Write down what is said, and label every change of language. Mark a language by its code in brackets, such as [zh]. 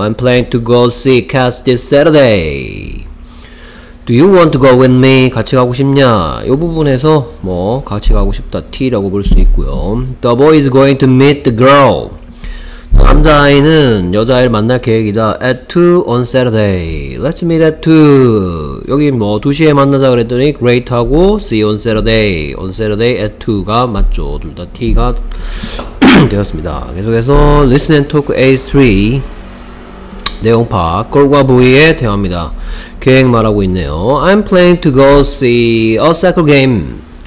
[en] I'm playing to go see cats this Saturday. Do you want to go with me? [ko] 같이 가고 싶냐? 요 부분에서 뭐 같이 가고 싶다 T라고 볼수 있고요. [en] The boy is going to meet the girl. [ko] 남자아이는 여자아이를 만날 계획이다. [en] At 2 on Saturday. Let's meet at 2. [ko] 여기 뭐 2시에 만나자 그랬더니 [en] Great [ko] 하고 [en] See you on Saturday. On Saturday at 2 [ko] 가 맞죠. 둘다 T가 되었습니다. 계속해서 [en] Listen and Talk A3 [ko] 내용 파악. 걸과 보이의 대화입니다. 계획 말하고 있네요. [en] I'm planning to go see a soccer game.